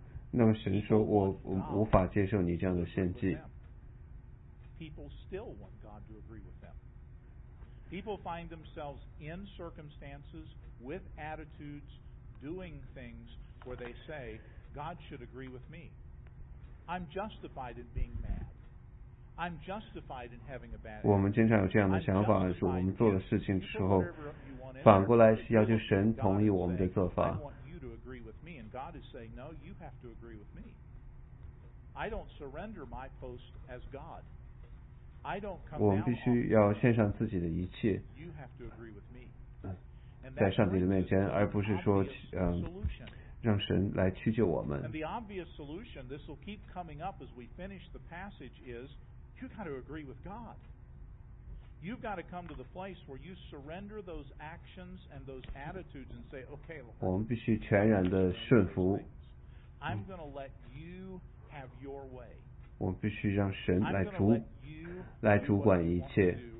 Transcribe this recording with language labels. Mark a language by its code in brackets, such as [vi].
[zh] 那么神说我无法接受你这样的献祭。 [en] People still want God to agree with them. People find themselves in circumstances with attitudes doing things where they say,God should agree with me. I'm justified in being mad. I'm justified in having a bad. [zh] 我们经常有这样的想法，是我们做的事情的时候，反过来是要求神同意我们的做法。 [en] I want you to agree with me, and God is saying, "No, you have to agree with me." I don't surrender my post as God. I don't come. [zh] 我们必须要献上自己的一切。 [en] You have to agree with me. [zh] 在上帝的面前，而不是说让神来屈就我们。 [en] And the obvious solution, this will keep coming up as we finish the passage, is you've got to agree with God. You've got to come to the place where you surrender those actions and those attitudes and say, okay, Lord, [zh] 我们必须全然的顺服。 [en] I'm going to let you have your way. [zh] 我们必须让神来主管一切。